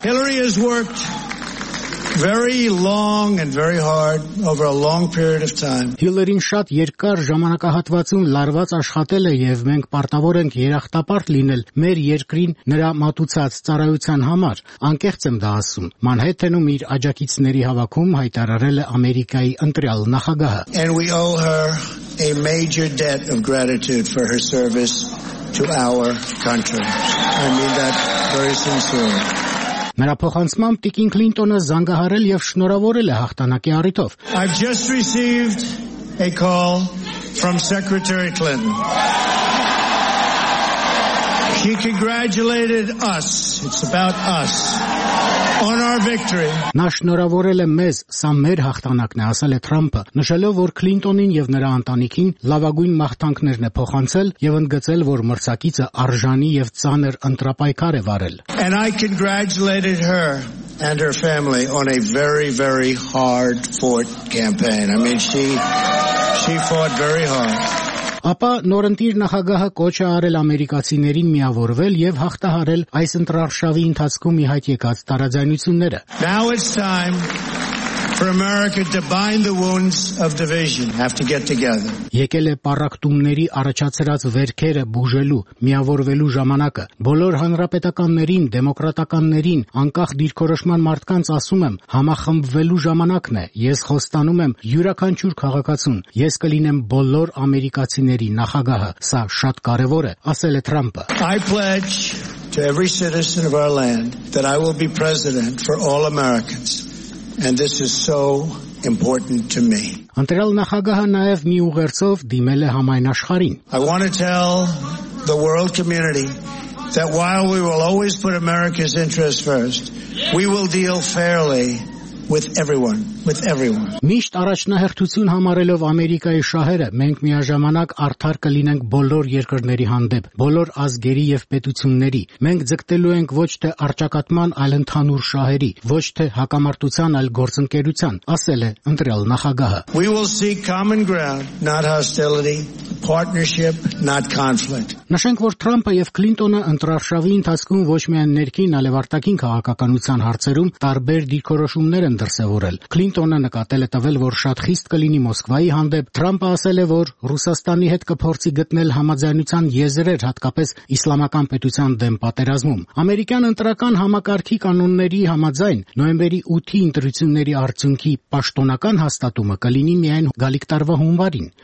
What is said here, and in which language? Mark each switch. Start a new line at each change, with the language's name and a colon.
English: Hillary has worked very long and very hard over a long period of time.
Armenian: Hillary-ն շատ երկար ժամանակահատվածում լարված աշխատել է եւ մենք պարտավոր ենք երախտապարտ լինել մեր երկրին նրա մատուցած ծառայության համար, անկեղծ եմ դա ասում։ Մանհեթենում իր աջակիցների հավաքում հայտարարել է Ամերիկայի ընտրյալ նախագահը։
English: And we owe her a major debt of gratitude for her service to our country. I mean that very sincerely.
Armenian: Նրա փոխանցմամբ Տիկին Քլինտոնը զանգահարել եւ շնորհավորել է հաղթանակի առիթով։
English: I've just received a call from Secretary Clinton. She congratulated us. It's about us. On our victory.
Armenian: Նա շնորհավորել է մեզ, սա մեր հաղթանակն է, ասել է Թրամփը, նշելով, որ Քլինտոնին եւ նրա ընտանիքին լավագույն մաղթանքներն է փոխանցել եւ ընդգծել, որ մրցակիցը արժանի եւ ծանր ընտրապայքար է վարել։
English: And I congratulated her and her family on a very very hard fought campaign. I mean she fought very hard.
Armenian: Ապա նորընտիր նախագահը կոչ է արել ամերիկացիներին միավորվել եւ հաղթահարել այս ընտրարշավի ընթացքում իհայտ եկած տարաձայնությունները։
English: Now it's time for America to bind the wounds of division. Have to get together.
Armenian: Եկել է պարակտումների առաջացած վերքերը բուժելու, միավորվելու ժամանակը։ Բոլոր հանրապետականներին, դեմոկրատականներին, անկախ դիրքորոշման մարդկանց ասում եմ, համախմբվելու ժամանակն է։ Ես խոստանում եմ յուրաքանչյուր քաղաքացուն, ես կլինեմ բոլոր ամերիկացիների նախագահը, սա շատ կարևոր է, ասել է Թրամփը։
English: I pledge to every citizen of our land that I will be president for all Americans. And this is so important to me.
Armenian: Անտրալ նախագահը նաև մի ուղերձով դիմել է համայն աշխարհին.
English: I want to tell the world community that while we will always put America's interests first, we will deal fairly with everyone.
Armenian: Միշտ առաջնահերթություն համարելով Ամերիկայի շահերը, մենք միաժամանակ արդար կլինենք բոլոր երկրների հանդեպ, բոլոր ազգերի եւ պետությունների։ Մենք ձգտելու ենք ոչ թե արճակատման, այլ ընդհանուր շահերի, ոչ թե հակամարտության, այլ գործընկերության, ասել է ընտրյալ նախագահը։
English: We will seek common ground, not hostility, partnership, not conflict.
Armenian: Նշենք, որ Թրամփը եւ Քլինտոնը ընտրարշավի ընթացքում ոչ միայն ներքին, այլև արտաքին քաղաքականության հարցերում տարբեր դիրքորոշում են դրսևորել։ Քլինտոնը նկատել է տվել, որ շատ խիստ կլինի Մոսկվայի հանդեպ։ Թրամփը ասել է, որ Ռուսաստանի հետ կփորձի գտնել համաձայնության եզրեր, հատկապես իսլամական պետության դեմ պատերազմում։ Ամերիկյան ընտրական համակարգի կանոնների համաձայն նոյեմբերի 8-ի ընտրությունների արդյունքի պաշտոնական հաստատումը կլինի միայն գալիք տարվա հունվարին։